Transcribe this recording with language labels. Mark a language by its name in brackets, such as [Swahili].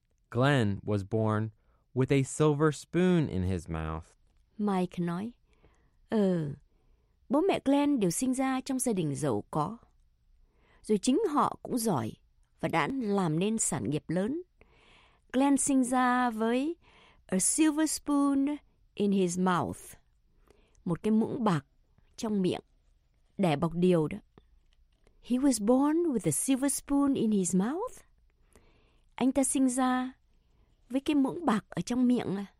[English] Glenn was born with a silver spoon in his mouth. [Vietnamese] Mike nói, Ừ, bố mẹ Glenn đều sinh ra trong gia đình giàu có. Rồi chính họ cũng giỏi và đã làm nên sản nghiệp lớn. Glenn sinh ra với [English] a silver spoon in his mouth. [Vietnamese] Một cái muỗng bạc trong miệng, đẻ bọc điều đó. [English] He was born with a silver spoon in his mouth. [Vietnamese] Anh ta sinh ra với cái muỗng bạc ở trong miệng.